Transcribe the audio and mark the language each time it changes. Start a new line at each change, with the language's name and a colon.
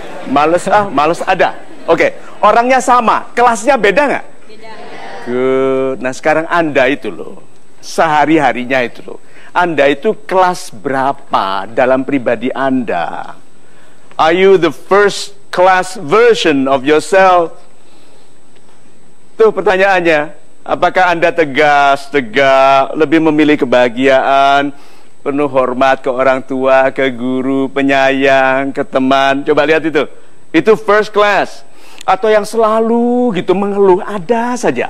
Indonesian: Males ah, males ada. Oke, okay. Orangnya sama, kelasnya beda nggak? Beda.
English: Good.
Indonesian: Nah sekarang Anda itu loh, sehari harinya itu loh. Anda itu kelas berapa dalam pribadi Anda?
English: Are you the first class version of yourself?
Indonesian: Tuh pertanyaannya, apakah Anda tegas, tegak, lebih memilih kebahagiaan, penuh hormat ke orang tua, ke guru, penyayang, ke teman? Coba lihat itu. Itu
English: first class.
Indonesian: Atau yang selalu gitu mengeluh, ada saja.